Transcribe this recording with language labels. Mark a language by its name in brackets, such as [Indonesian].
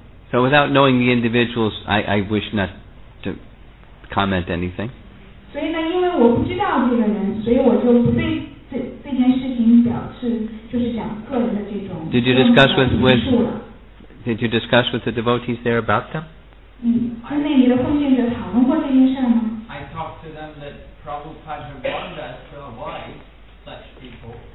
[English] So without knowing the individuals, I wish not to comment anything. [Chinese] 所以呢, 为我不知道这个人，所以我就不对这件事情表示，就是讲个人的这种。 [English] Did you discuss with Did you discuss with the devotees there about them? [Chinese] 那你的奉献者讨论过这件事吗？ [English] I talked to them that Prabhupada warned us to avoid such people.